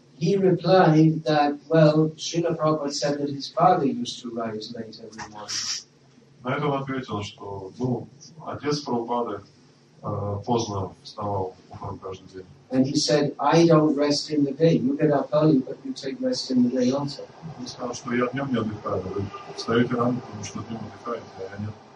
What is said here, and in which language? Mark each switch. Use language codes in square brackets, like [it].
[en] He replied that, well, Srila Prabhupada said that his father used to rise late every morning. [ru] На это он ответил, что, ну, отец Прабхупады поздно вставал утром каждый день. [en] And he said, I don't rest in the day. You get up early, but you take rest in the day also. [ru] Он сказал, что я днем не отдыхаю. Вы встаете рано, потому что днем отдыхаете, а я нет.